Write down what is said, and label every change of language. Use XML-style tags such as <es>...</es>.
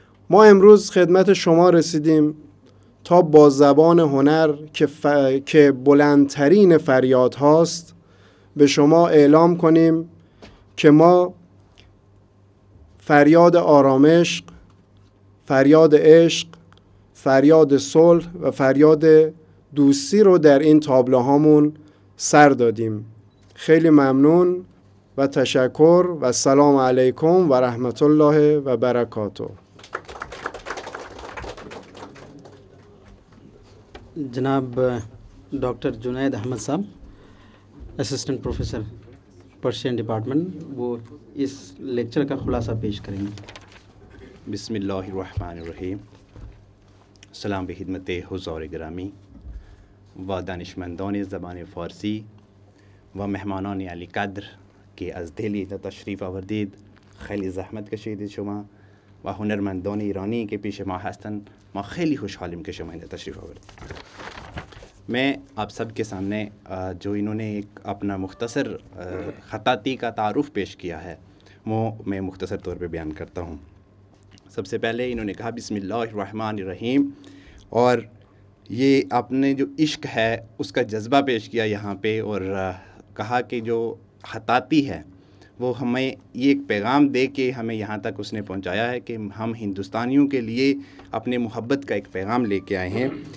<fa>ما امروز خدمت شما رسیدیم تا با زبان هنر که بلندترین فریاد هاست به شما اعلام کنیم که ما فریاد آرامش، فریاد عشق، فریاد صلح و فریاد دوستی رو در این تابلوهامون سر دادیم. خیلی ممنون و تشکر و سلام علیکم و رحمت الله و برکاته.</fa> <ur>جناب ڈاکٹر جنید احمد صاحب اسسٹنٹ پروفیسر پرشین ڈپارٹمنٹ وہ اس لیکچر کا خلاصہ پیش کریں گے.</ur> <ar>بسم اللہ الرحمن الرحیم.</ar> <fa>سلام به خدمت حضور گرامی و دانشمندان زبان فارسی و مہمانان علی قدر کے از دلی تشریف آوردید. خیلی زحمت کشیدید شما و هنرمندان ایرانی که پیش ما هستند، ما خیلی خوشحالیم که شما اینجا تشریف آوردید.</fa> <ur>میں آپ سب کے سامنے جو انہوں نے ایک اپنا مختصر خطاطی کا تعارف پیش کیا ہے وہ میں مختصر طور پہ بیان کرتا ہوں. سب سے پہلے انہوں نے کہا</ur> <ar>بسم اللہ الرحمن الرحیم،</ar> <ur>اور یہ اپنے جو عشق ہے اس کا جذبہ پیش کیا یہاں پہ، اور کہا کہ جو خطاطی ہے وہ ہمیں یہ ایک پیغام دے کے ہمیں یہاں تک اس نے پہنچایا ہے کہ ہم ہندوستانیوں کے لیے اپنے محبت کا ایک پیغام لے کے آئے ہیں.</ur>